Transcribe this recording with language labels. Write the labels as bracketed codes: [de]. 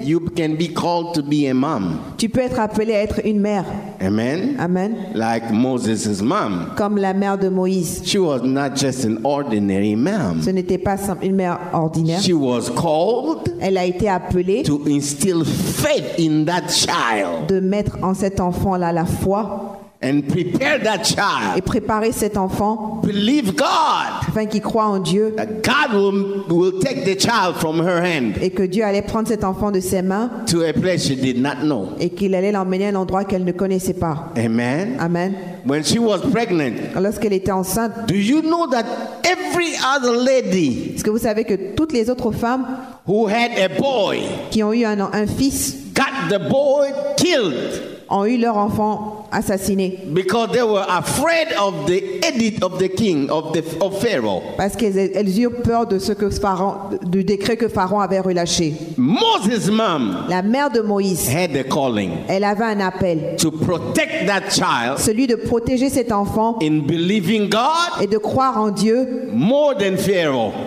[en] you can be called to be a mom. [fr] Tu peux être appelé à être une mère. [en] Amen. [fr] Amen. [en] Like Moses' mom. [fr] Comme la mère de Moïse. [en] She was not just an ordinary mom. [fr] Ce n'était pas une mère ordinaire. [en] She was called. [fr] Elle a été appelée. [en] To instill faith in that child. [fr] De mettre en cet enfant-là la foi. [en] And prepare that child. [fr] Et préparer cet enfant. [en] Believe God. [fr] Afin qu'il croit en Dieu. [en] That God will take the child from her hand. [fr] Et que Dieu allait prendre cet enfant de ses mains. [en] To a place she did not know. [fr] Et qu'il allait l'emmener à un endroit qu'elle ne connaissait pas. [en] Amen. [fr] Amen. [en] When she was pregnant. [fr] Lorsqu'elle était enceinte. [en] Do you know that every other lady? [fr] Est-ce que vous savez que toutes les autres femmes? [en] Who had a boy? [fr] Qui ont eu un fils? [en] Got the boy killed. [fr] Ont eu leur enfant. assassinés. [en] Because they were afraid of the edict of the king of Pharaoh. [fr] Parce qu'elles eurent peur de ce que Pharaon, du décret que Pharaon avait relâché. [en] Moses' mom, [fr] la mère de Moïse, [en] had a calling. [fr] Elle avait un appel. [en] To protect that child. [fr] Celui de protéger cet enfant. [en] In believing God. [fr] Et de croire en Dieu. [en] More than Pharaoh.